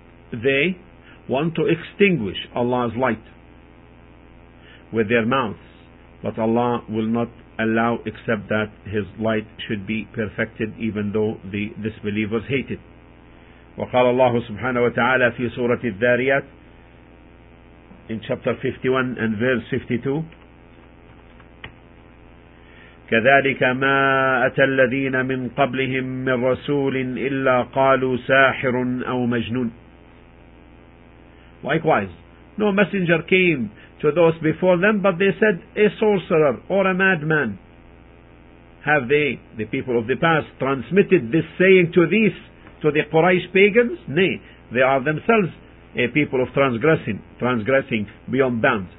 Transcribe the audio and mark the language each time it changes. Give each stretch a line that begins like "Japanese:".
English: They want to extinguish Allah's light with their mouths, but Allah will not allow except that His light should be perfected, even though the disbelievers hate it.
Arabic: وقال الله سبحانه وتعالى في سورة الذاريات,
English: in chapter 51 and verse 52,
Arabic: كذلك ما أتى الذين من قبلهم من رسول إلا قالوا ساحر أو مجنون.
English: Likewise, no messenger came to those before them, but they said, a sorcerer or a madman. Have they, the people of the past, transmitted this saying to these, to the Quraysh pagans? Nay, they are themselves a people of transgressing beyond bounds.